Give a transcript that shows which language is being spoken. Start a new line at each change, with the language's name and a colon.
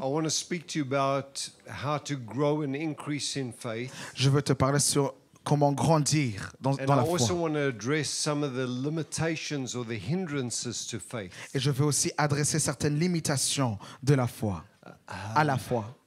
English: I want to speak to you about how to grow and increase in faith.
French: Je veux te parler sur comment grandir dans la foi.
English: And I also want to address some of the limitations or the hindrances to faith.
French: Et je veux aussi adresser certaines limitations de la foi à la foi.